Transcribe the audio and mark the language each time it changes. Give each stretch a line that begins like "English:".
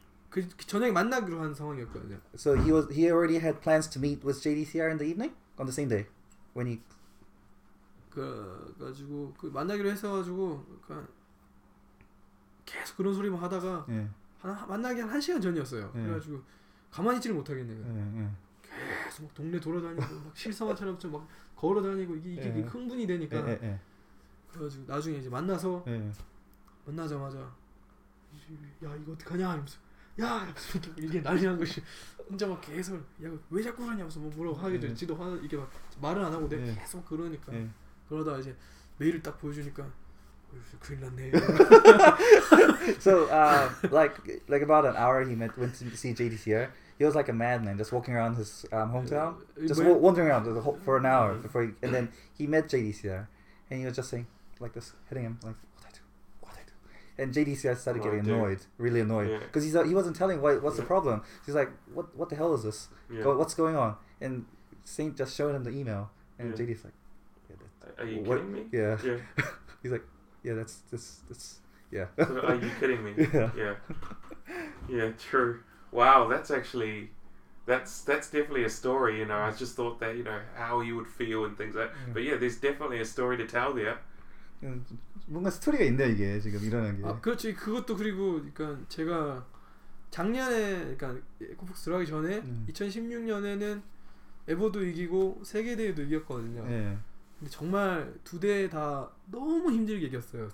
Korean: 그 저녁에 만나기로 한 상황이었거든요.
English: So he was he already had plans to meet with JDCR in the evening on the same day when he
Korean: 그 가지고 그 만나기로 했어 가지고 그 계속 그런 소리만 하다가
English: yeah.
Korean: 하, 만나기 한 1시간 전이었어요.
English: Yeah.
Korean: 그래 가지고 가만히 있지를 못하겠네요.
English: Yeah, yeah.
Korean: 계속 막 동네 돌아다니고 막 실사화처럼 좀 막 걸어다니고 이게 예, 흥분이 되니까 예, 예, 예. 그래가지고 나중에 이제 만나서 예. 만나자마자 야 이거 어떡하냐 하면서 야 이러면서 이게 난리난 것이 혼자 막 계속 야 왜 자꾸 그러냐 하면서 뭐 뭐라고 하게 되지 예. 지도 이게 막 말을 안 하고 내가 예. 계속 그러니까 예. 그러다 이제 메일을 딱 보여주니까 큰일 났네.
English: So like about an hour he went to see JDCR. He was like a madman, just walking around his hometown, just wandering around the whole, for an hour before, he, and then he met JDCR, and he was just saying like this, hitting him like, "What do I do? What do I do?" And JDCR started what getting annoyed, really annoyed, because yeah. he wasn't telling what's yeah. the problem. He's like, "What the hell is this? Yeah. What's going on?" And Saint just showed him the email, and JDCR's like, yeah, that, "Are you kidding me?" Yeah, yeah. He's like, "Yeah, that's yeah." So, are you kidding me? Yeah. Yeah. True. Wow, that's actually, that's definitely a story, you know, I just thought that, you know, how you would feel and things like that. Yeah. But yeah, there's definitely a story to tell there.
Korean: 뭔가 스토리가 있네, 이게, 지금 일어난 게. 아, 그렇지, 그것도 그리고, 그러니까 제가 작년에, 그러니까 에코폭스 들어가기 전에, 2016년에는 에버도 이기고 세계대회도 이겼거든요. 예. 근데 정말 두 대 다 너무 힘들게 이겼어요.